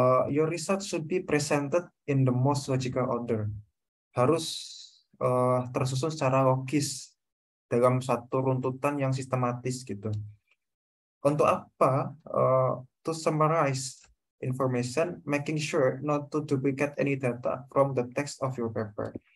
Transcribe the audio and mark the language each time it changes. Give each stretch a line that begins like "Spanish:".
English: Your results should be presented in the most logical order.
Indonesian: Harus tersusun secara logis dalam satu runtutan yang sistematis gitu. Untuk apa?
English: To summarize information, making sure not to duplicate any data from the text of your paper.